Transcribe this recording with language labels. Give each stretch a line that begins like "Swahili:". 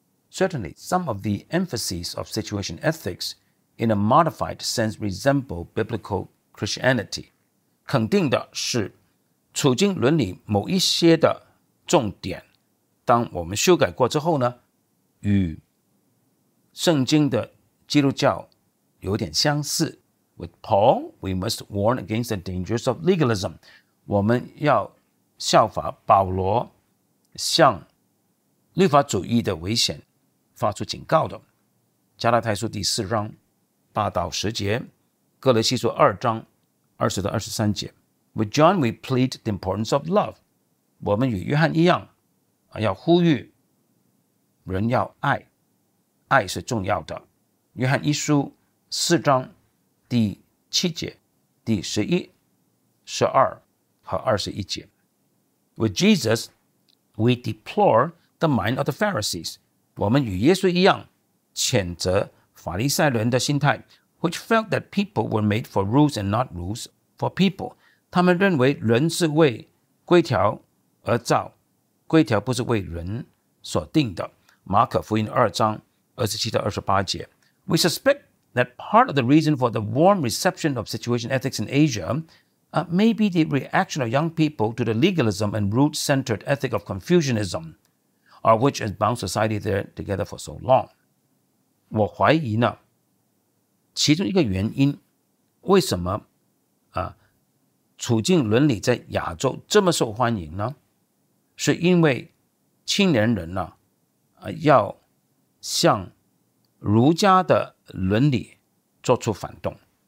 English: Certainly, some of the emphases of situation ethics in a modified sense resemble biblical Christianity。
Chinese: 肯定的是处境伦理某一些的重点，当我们修改过之后呢，与圣经的基督教有点相似。
English: With Paul, we must warn against the dangers of legalism。
Chinese: 我们要效法保罗向律法主义的危险发出警告的。加拉太书第四章八到十节，哥罗西书二章二十到二十三节。
English: With John, we plead the importance of love。
Chinese: 我们与约翰一样要呼吁人要爱，爱是重要的。约翰一书四章第七节、第十一、十二和二十一节。
English: With Jesus, we deplore the mind of the Pharisees。我们与耶稣一样谴责法利赛人的心态， which felt that people were made for rules and not rules for people。
Chinese: 他们认为人是为规条而造，规条不是为人所定的。马可福音二章二十七到二十八节。
English: We suspectThat part of the reason for the warm reception of situation ethics in Asia may be the reaction of young people to the legalism and root-centered ethic of Confucianism, or which has bound society there together for so long.
Chinese: 我怀疑呢，其中一个原因，为什么处境伦理在亚洲这么受欢迎呢？是因为青年人呢，要向儒家的伦理做出反动。